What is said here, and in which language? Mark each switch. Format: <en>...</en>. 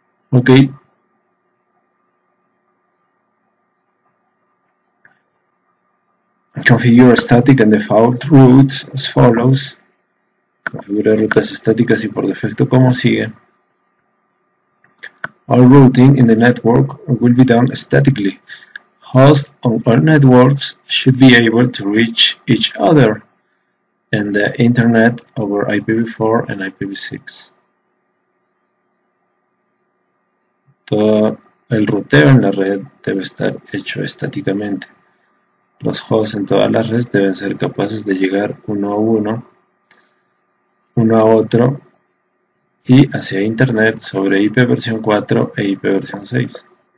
<en>Ok. Configure static and default routes as follows.</en> <es>Configure rutas estáticas y por defecto como sigue.</es> <en>All routing in the network will be done statically. Hosts on all networks should be able to reach each other and the internet over IPv4 and IPv6.</en> <es>Todo el ruteo en la red debe estar hecho estáticamente. Los hosts en todas las redes deben ser capaces de llegar uno a otro y hacia Internet sobre IP versión 4 e IP versión 6.</es>